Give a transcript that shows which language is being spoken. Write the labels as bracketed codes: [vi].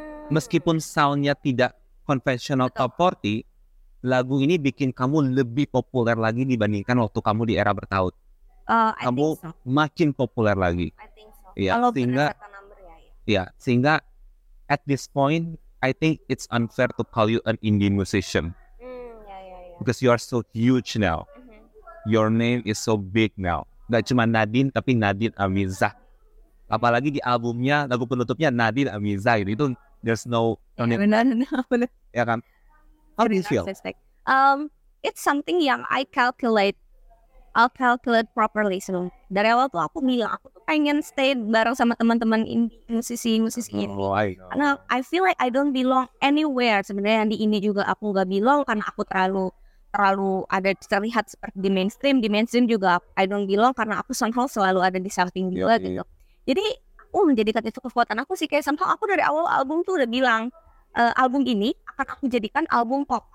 [id] Meskipun soundnya tidak konvensional top 40, lagu ini bikin kamu lebih populer lagi dibandingkan waktu kamu di era bertaut. Kamu makin populer lagi. Iya, sehingga sehingga [en] at this point, I think it's unfair to call you an indie musician. Because you are so huge now. Your name is so big now. [id] Gak cuma Nadine, tapi Nadine Amizah. Apalagi di albumnya, lagu penutupnya Nadine Amizah. Itu [en] there's no... [id] Ya kan? [en] How do you feel? It's something [id] yang [en] I calculate properly [id] sebelum. Dari awal tuh aku bilang, aku tuh pengen stay bareng sama teman-teman indie musisi-musisi ini. Karena [en] I feel like I don't belong anywhere. [id] Sebenarnya di ini juga aku gak belong karena aku terlalu ada terlihat seperti di mainstream juga [en] I don't belong [id] karena aku somehow selalu ada di samping dia gitu. Jadi aku menjadikan itu kekuatan aku sih, kayak somehow aku dari awal album tuh udah bilang album ini akan aku jadikan album pop.